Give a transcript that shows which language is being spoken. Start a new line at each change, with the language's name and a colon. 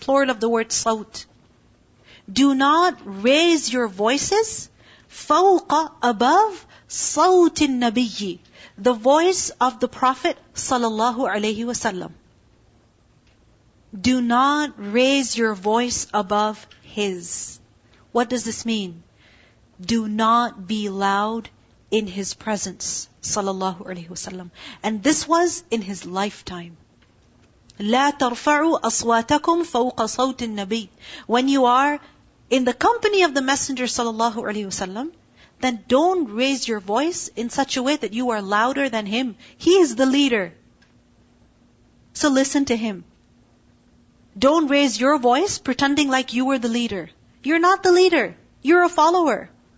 English: Plural of the word صوت. Do not raise your voices فَوْقَ Above
Arabic: صَوْتِ النَّبِيِّ
English: The voice of the Prophet sallallahu alayhi wasallam. Do not raise your voice above his. What does this mean? Do not be loud in his presence, sallallahu alaihi wasallam. And this was in his lifetime.
Arabic: لا ترفعوا أصواتكم فوق صوت النبي.
English: When you are in the company of the Messenger, sallallahu alaihi wasallam, then don't raise your voice in such a way that you are louder than him. He is the leader. So listen to him. Don't raise your voice pretending like you were the leader. You're not the leader. You're a follower.